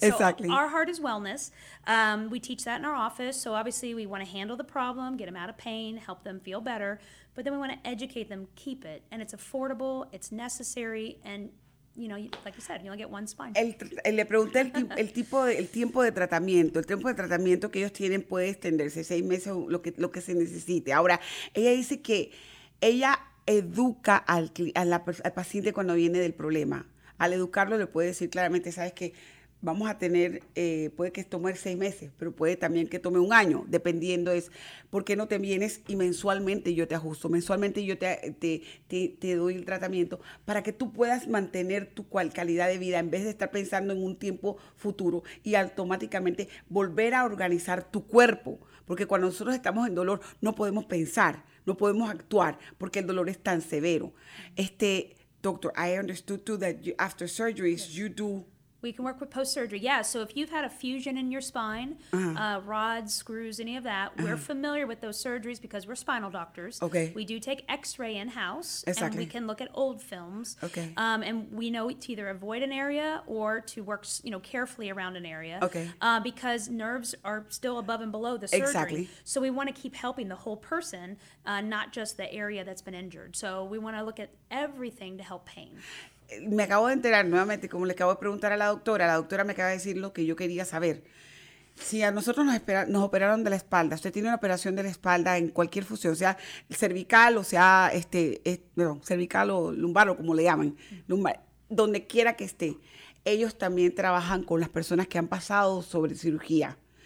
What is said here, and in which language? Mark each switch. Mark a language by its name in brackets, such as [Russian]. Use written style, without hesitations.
[English] Exactly. So our heart is wellness. We teach that in our office. So obviously we want to handle the problem, get them out of pain, help them feel better. But then we want to educate them, keep it. And it's affordable, it's necessary, and you know, like you said, you only get one spine. [Spanish] Le pregunté el tiempo de tratamiento. El tiempo de tratamiento que ellos tienen puede extenderse 6 meses, lo que se necesite. Ahora, ella dice que ella educa al paciente cuando viene del problema. Al educarlo le puede decir claramente, sabes que vamos a tener, puede que tome 6 meses, pero puede también que tome 1 año, dependiendo es, ¿por qué no te vienes y mensualmente yo te ajusto? Mensualmente yo te doy el tratamiento para que tú puedas mantener tu calidad de vida en vez de estar pensando en un tiempo futuro y automáticamente volver a organizar tu cuerpo. Porque cuando nosotros estamos en dolor, no podemos pensar, no podemos actuar, porque el dolor es tan severo. [English] Doctor, I understood too that you, after surgeries, you do... We can work with post-surgery. Yeah, so if you've had a fusion in your spine, rods, screws, any of that, we're familiar with those surgeries because we're spinal doctors. Okay. We do take x-ray in-house. Exactly. And we can look at old films. Okay. And we know to either avoid an area or to work, you know, carefully around an area. Okay. Because nerves are still above and below the surgery. Exactly. So we want to keep helping the whole person, not just the area that's been injured. So we want to look at everything to help pain. [Spanish] me acabo de enterar nuevamente, como le acabo de preguntar a la doctora me acaba de decir lo que yo quería saber. Si a nosotros nos operaron de la espalda, usted tiene una operación de la espalda en cualquier fusión, sea cervical o sea cervical o lumbar o como le llaman, lumbar, donde quiera que esté, ellos también trabajan con las personas que han pasado sobre cirugía.